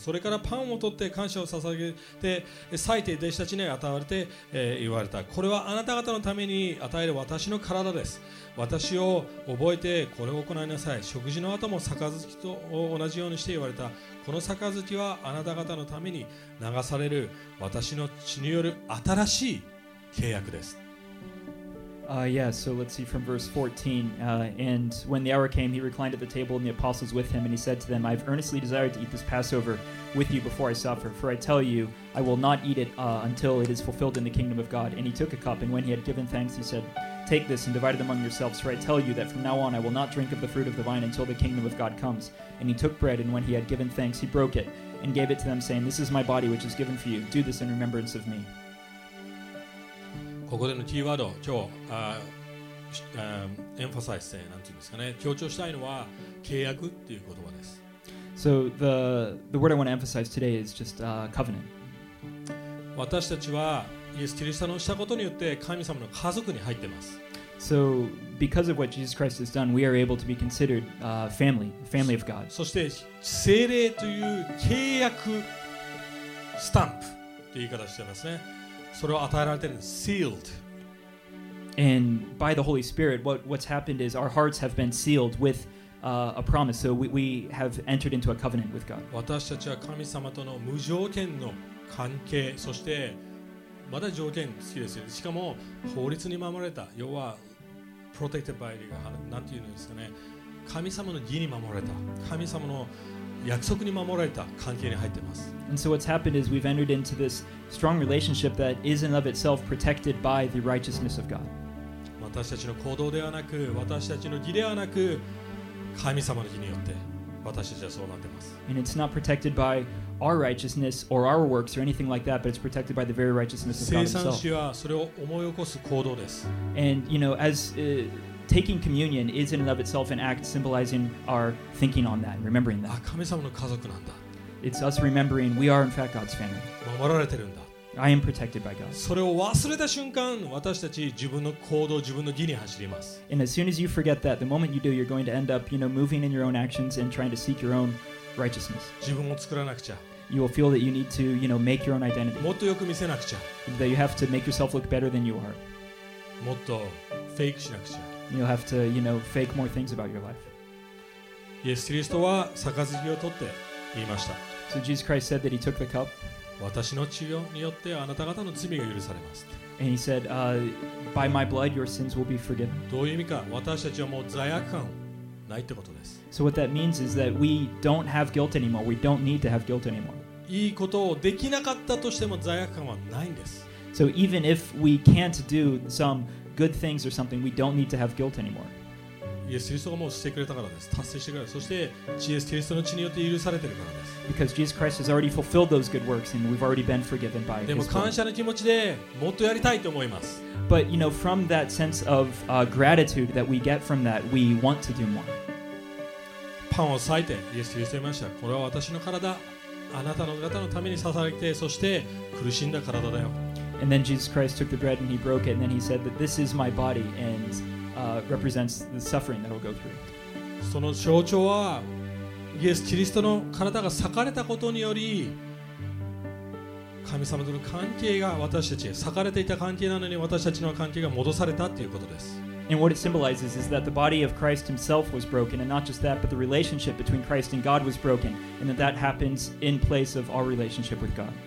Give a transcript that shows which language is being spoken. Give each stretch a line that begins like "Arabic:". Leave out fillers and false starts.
Japanese: それからパンを取って感謝を捧げて裂いて弟子たちに与われて、言われた、これはあなた方のために与える私の体です。私を覚えてこれを行いなさい。食事の後も杯と同じようにして言われた、この杯はあなた方のために流される私の血による新しい契約です。
English: So let's see from verse 14. And when the hour came, he reclined at the table and the apostles with him, and he said to them, I've earnestly desired to eat this Passover with you before I suffer. For I tell you, I will not eat it until it is fulfilled in the kingdom of God. And he took a cup, and when he had given thanks, he said, take this and divide it among yourselves. For I tell you that from now on, I will not drink of the fruit of the vine until the kingdom of God comes. And he took bread, and when he had given thanks, he broke it and gave it to them, saying, this is my body, which is given for you. Do this in remembrance of me.
Japanese: ここでのキーワード、超エンファサイスなんていうんですかね、強調したいのは契約っていう言葉です。
English: So the word I want to emphasize today is just covenant.
Japanese: 私たちはイエス・キリストのしたことによって神様の家族に入ってます。
English: So because of what Jesus Christ has done, we are able to be considered family of God.
Japanese: そして聖霊という契約スタンプという言い方をしてますね。それを与えられてるんです。
English: Sealed. And by the Holy Spirit, what's happened is our hearts have been sealed with a promise. So we have entered into a covenant with God.
Japanese: 私たちは神様との無条件の関係、そしてまた条件好きですよ。しかも法律に守られた、要は
English: protected by the God、
Japanese: なんていうんですかね。神様の義に守られた、神様の約束に守られた関係に入っています。
English: And so what's happened is we've entered into this strong relationship that is in of itself protected by the righteousness of God.
Japanese: 私たちの行動ではなく、私たちの義ではなく、神様の義によって私たちはそうなっています。
English: And it's not protected by our righteousness or our works or anything like that, but it's protected by the very righteousness of God himself.
Japanese: 生産主はそれを思い起こす行動です。
English: And you know, as taking communion is in and of itself an act symbolizing our thinking on that and remembering that.
Japanese: 神様の家族なんだ。
English: It's us remembering we are in fact God's family.
Japanese: 守られてるんだ。
English: I am protected by God.
Japanese: それを忘れた瞬間、私たち自分の行動、自分の義に走ります。
English: And as soon as you forget that, the moment you do, you're going to end up, you know, moving in your own actions and trying to seek your own righteousness.
Japanese: 自分を作らなくちゃ。
English: You will feel that you need to, you know, make your own identity.
Japanese: もっとよく見せなくちゃ。
English: That you have to make yourself look better than you are.
Japanese: もっとフェイクしなくちゃ。
English: You'll have to, you know, fake more things about your life.
Japanese: イエス・キリストは杯を取って言いました。
English: So Jesus Christ said that he took the cup.
Japanese: 私の血によってあなた方の罪が許されます。
English: And he said, by my blood your sins will be forgiven.
Japanese: どういう意味か、私たちはもう罪悪感ないってことです。
English: So what that means is that we don't have guilt anymore. We don't need to have guilt anymore.
Japanese: いいことをできなかったとしても罪悪感はないんです。
English: So even if we can't do some good things or something, we don't need to have guilt anymore.
Japanese: イエス・キリストがもうしてくれたからです。達成してくれた。そしてイエス・キリストの血によって許されてるからです。
English: Because Jesus Christ has already fulfilled those good works and we've already been forgiven by His blood.
Japanese: でも感謝の気持ちでもっとやりたいと思います。
English: But you know, from that sense of gratitude that we get from that, we want to do more.
Japanese: パンを裂いてイエス・キリストに言いました。これは私の体、あなたの方のために捧げて、そして苦しんだ体だよ。
English: And then Jesus Christ took the bread and he broke it and then he said that this is my body and represents the suffering that will go through.
Japanese: その象徴はイエス・キリストの体が裂かれたことにより神様との関係が私たち裂かれていた関係なのに私たちの関係が戻されたということです。
English: And what it symbolizes is that the body of Christ himself was broken and not just that but the relationship between Christ and God was broken and that happens in place of our relationship with God.